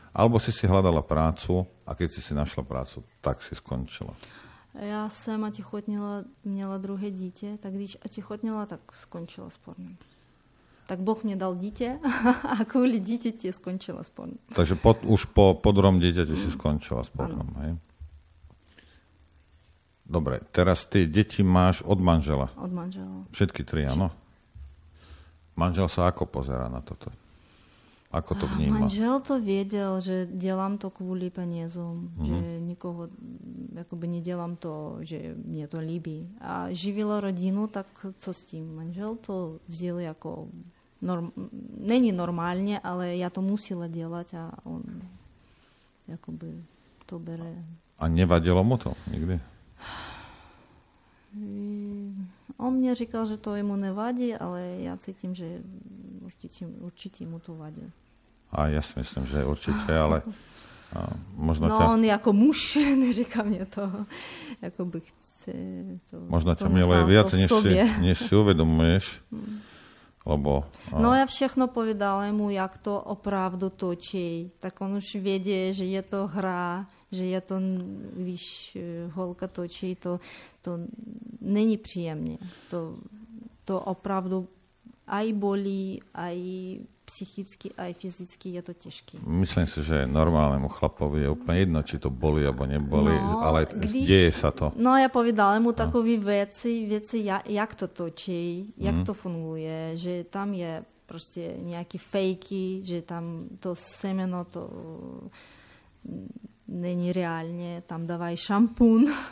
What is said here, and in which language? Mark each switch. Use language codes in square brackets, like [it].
[sk] Alebo si si hľadala prácu a keď si našla prácu, tak si skončila. [cs] Ja som otehotnila, měla druhé dítě, tak když otehotnila, tak skončila s pornom. Tak Boh mne dal dítě a kvôli dítě ti skončila s pornom. [sk] Takže už po druhom dieťati si skončila s pornom, hej? Dobre, teraz ty deti máš od manžela. Od manžela. Všetky tri, áno? Manžel sa ako pozerá na toto? Ako to vníma? Manžel to vedel, že delám to kvôli peniazom, že nikoho, akoby nedelám to, že mne to líbí. A živilo rodinu, tak co s tým? Manžel to vzdiel ako, není normálne, ale ja to musela delať a on akoby to bere. A nevadilo mu to nikdy? [cs] On mne říkal, že to jemu nevadí, ale ja cítim, že určite mu to vadí. [sk] A ja si myslím, že určite, ale možno... [cs] No, on ako muž neříká mne to, ako by chce to... [sk] Možno to ťa miluje viac, než si uvedomuješ, lebo... [cs] No, ja všechno povedal mu, jak to opravdu točí, tak on už vedie, že je to hra, že je to, když holka točí, to není príjemné. [sk] To opravdu aj bolí, aj... psychicky aj fyzicky je to ťažké. Myslím si, že normálnemu chlapovi je úplne jedno, či to boli alebo neboli, no, ale deje sa to. No ja povedala mu takové veci, jak to točí, jak to funguje, že tam je proste nejaké fejky, že tam to semeno to není reálne, tam dávaj šampún.